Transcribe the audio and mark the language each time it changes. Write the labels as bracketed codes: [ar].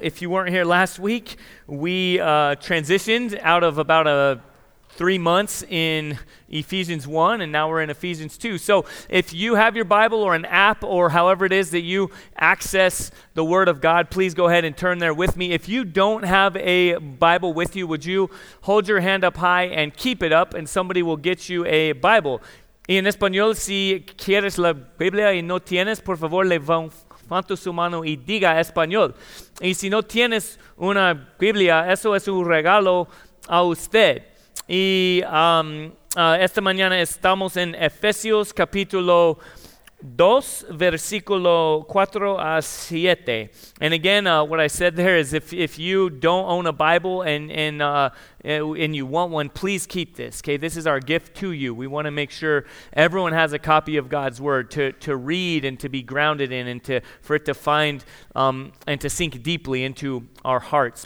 [en] If you weren't here last week, we transitioned out of about a 3 months in Ephesians 1, and now we're in Ephesians 2. So if you have your Bible or an app or however it is that you access the Word of God, please go ahead and turn there with me. If you don't have a Bible with you, would you hold your hand up high and keep it up, and somebody will get you a Bible. [es] En español, si quieres la Biblia y no tienes, por favor, levanta su mano y diga español. Y si no tienes una Biblia, eso es un regalo a usted. Y esta mañana estamos en Efesios capítulo 2, versículo 4 a 7. [en] And again, what I said there is if you don't own a Bible and you want one, please keep this. Okay, this is our gift to you. We want to make sure everyone has a copy of God's Word to read and to be grounded in and to sink deeply into our hearts.